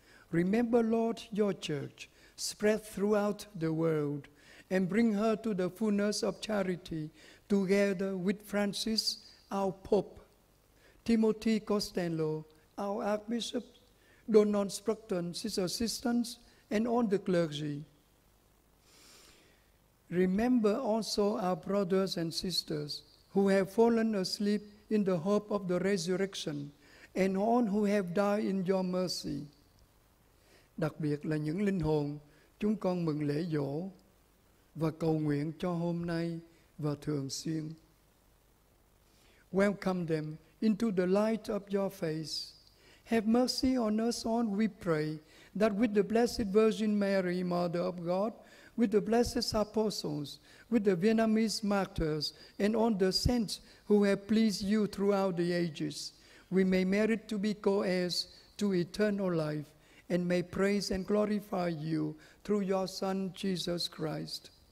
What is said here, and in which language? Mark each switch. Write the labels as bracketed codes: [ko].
[en] Remember, Lord, your church spread throughout the world and bring her to the fullness of charity together with Francis, our Pope, Timothy Costello, our Archbishop, Donald Sproston, his assistants, and all the clergy. Remember also our brothers and sisters who have fallen asleep in the hope of the resurrection and all who have died in your mercy. [vi] Đặc biệt là những linh hồn chúng con mừng lễ giỗ và cầu nguyện cho hôm nay và thường xuyên. [en] Welcome them into the light of your face. Have mercy on us all, we pray, that with the Blessed Virgin Mary, Mother of God, with the blessed apostles, with the Vietnamese martyrs, and all the saints who have pleased you throughout the ages, we may merit to be co-heirs to eternal life and may praise and glorify you through your Son, Jesus Christ.